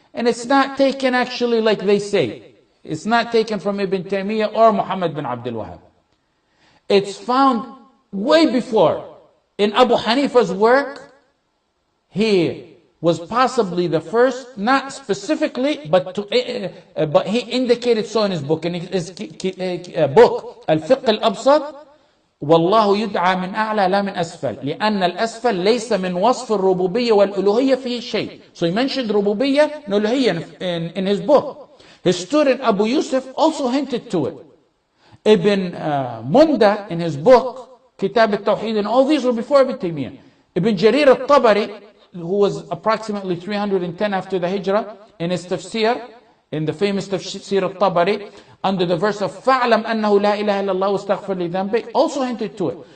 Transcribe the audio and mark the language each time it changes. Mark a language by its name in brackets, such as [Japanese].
[English] And it's not taken actually like they say. It's not taken from Ibn Taymiyyah or Muhammad ibn Abdul Wahhab. It's found way before in Abu Hanifa's work. He was possibly the first, not specifically, but he indicated so in his book. In his book, [Arabic] Al-Fiqh Al-Absat, وَاللَّهُ يُدْعَى مِنْ أَعْلَى لَا مِنْ أَسْفَلْ لِأَنَّ الْأَسْفَلْ لَيْسَ مِنْ وَصْفِ الرُّبُوبِيَّ وَالْأُلُوهِيَّ فِيهِ شَيْءٍ. [English] So he mentioned rububiyya and uluhiyya in his book. His student Abu Yusuf also hinted to it. Ibn Munda in his book, Kitab al-Tawheed, and all these were before Ibn Taymiyyah. Ibn Jarir al-Tabari, who was approximately 310 after the Hijrah, in his tafsir, in the famous tafsir al-Tabari, under the verse of [Arabic] فَعْلَمْ أَنَّهُ لَا إِلَهَ إِلَّا اللَّهُ وَاسْتَغْفِرْ لِذَنْبِكَ, [English] also hinted to it.